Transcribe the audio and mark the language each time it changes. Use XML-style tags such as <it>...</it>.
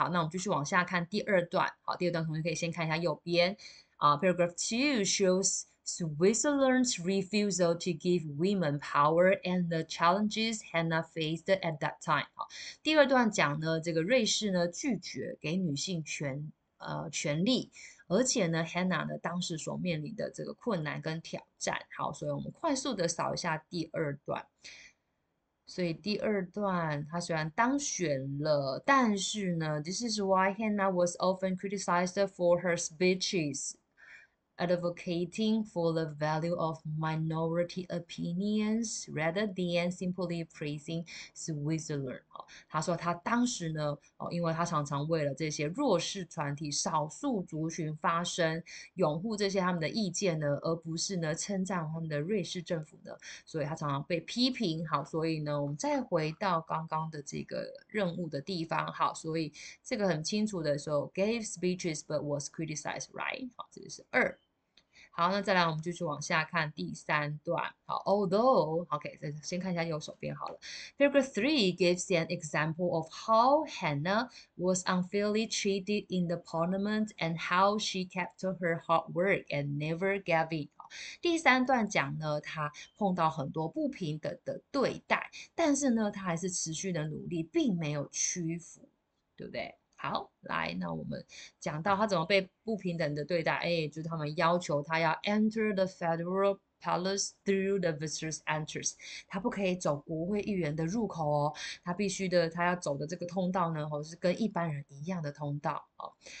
<zh>好，那我们继续往下看第二段。好，第二段同学可以先看一下右边。</zh> <en>Paragraph 2 shows Switzerland's refusal to give women power and the challenges Hannah faced at that time.</en> <zh>第二段讲呢，这个瑞士呢拒绝给女性权利，而且呢，Hannah 呢当时所面临的这个困难跟挑战。好，所以我们快速的扫一下第二段。所以第二段，她虽然当选了，但是呢，</zh> <en>This is why Hannah was often criticized for her speeches. Advocating for the value of minority opinions rather than simply praising Switzerland。</en> <zh>他说他当时呢，因为他常常为了这些弱势团体、少数族群发声，拥护这些他们的意见呢，而不是呢称赞他们的瑞士政府呢，所以他常常被批评。好，所以呢，我们再回到刚刚的这个任务的地方。好，所以这个很清楚的说，</zh> <en>gave speeches but was criticized，right？</en> <zh>好，这个是二。好，那再来，我们继续往下看第三段。好，although，OK，再先看一下右手边好了。</zh> <en>Paragraph three gives an example of how Hannah was unfairly treated in the parliament and how she kept to her hard work and never gave in.</en> <zh>第三段讲呢，她碰到很多不平等的对待，但是呢，她还是持续的努力，并没有屈服，对不对？好，来，那我们讲到他怎么被不平等的对待，哎，就是他们要求他要</zh> <en>enter the federal palace through the visitor's entrance，</en> <zh>他不可以走国会议员的入口哦，他必须的，他要走的这个通道呢，或是跟一般人一样的通道哦。</zh>